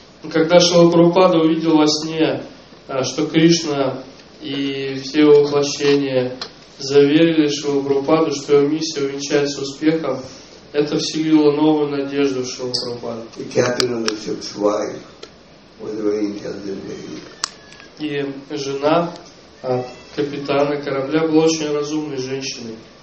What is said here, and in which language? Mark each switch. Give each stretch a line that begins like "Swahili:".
Russian: Когда Шрила Прабхупада увидел во сне, что Кришна и все его воплощения заверили Шрилу Прабхупаду, что его миссия увенчается успехом, это вселило новую надежду в Шрилу Прабхупаду.
English: The captain of the ship's wife was very intelligent lady.
Russian: И жена капитана корабля был очень разумной женщиной.